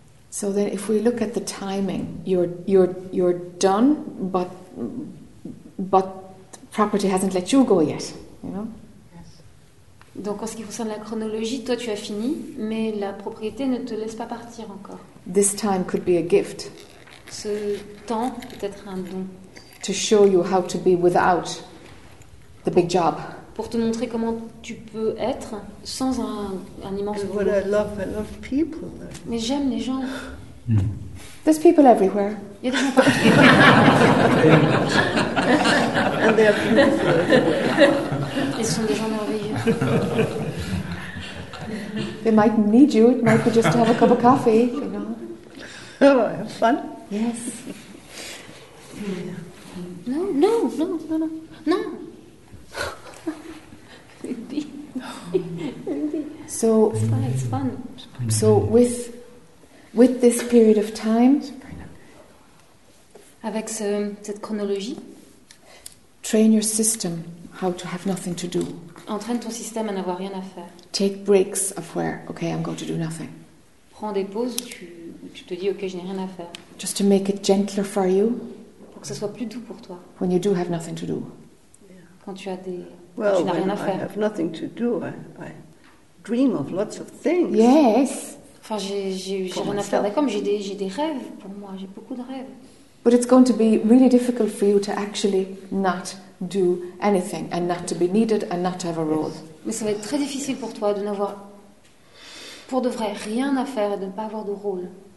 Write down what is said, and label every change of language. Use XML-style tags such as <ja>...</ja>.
<en>So then if we look at the timing, you're done, but property hasn't let you go yet, you know? Yes.</en> <fr>Donc en ce qui concerne la chronologie, toi tu as fini, mais la propriété ne te laisse pas partir encore.</fr> <en>This time could be a gift.</en> <fr>Ce temps peut être un don.</fr> <en>To show you how to be without the big job.</en> <fr>Pour te montrer comment tu peux être sans un immense</fr> <en>boulot. What I love people.</en> <fr>Mais j'aime les gens. Mm.</fr> <en>There's people everywhere.</en> <fr>Il y a des gens partout.</fr> <en>And they are beautiful.</en> <fr>Ils sont des gens merveilleux.</fr> <en>They might need you. It might be just to have a cup of coffee, you know. Oh, have fun. Yes. No, no, no, no, no, no. So it's fun. So with this period of time,</en> <fr>avec cette chronologie,</fr> <en>train your system how to have nothing to do.</en> <fr>Entraîne ton système à n'avoir rien à faire.</fr> <en>Take breaks of where, okay, I'm going to do nothing.</en> <fr>Prends des pauses, tu te dis, okay, je n'ai rien à faire.</fr> <en>Just to make it gentler for you.</en> <fr>Pour que ce soit plus doux pour toi.</fr> <en>When you do have nothing to do.</en> <fr>Quand tu as des</fr> <en>well,</en> <fr>tu n'as rien à faire.</fr> <en>I have nothing to do. I dream of lots of things. Yes.</en> <fr>Enfin, j'ai rien à faire. D'accord, mais j'ai des rêves pour moi. J'ai beaucoup de rêves.</fr> <en>But it's going to be really difficult for you to actually not do anything and not to be needed and not to have a role.</en> <fr>Mais ça va être très difficile pour toi de n'avoir pour de vrai rien à faire et de ne pas avoir de rôle.</fr>